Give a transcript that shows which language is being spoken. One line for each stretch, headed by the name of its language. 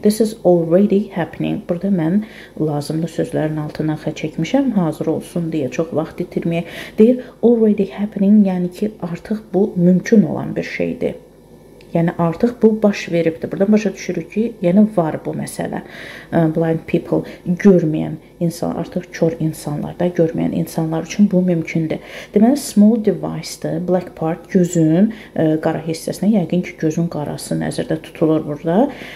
English: This is already happening.
Azerbaijani: Burada mən lazımlı sözlərin altına xətt çəkmişəm, hazır olsun deyə çox vaxt itirməyə. Deyir,
English: already happening,
Azerbaijani: yəni ki, artıq bu mümkün olan bir şeydir. Yəni, artıq bu baş veribdir. Buradan başa düşürük ki, yəni var bu məsələ. Blind people, görməyən insan, artıq kör insanlar da görməyən insanlar üçün bu mümkündür. Deməli, small device-dir, black part, gözün qara hissəsinə, yəqin ki, gözün qarası nəzərdə tutulur burada.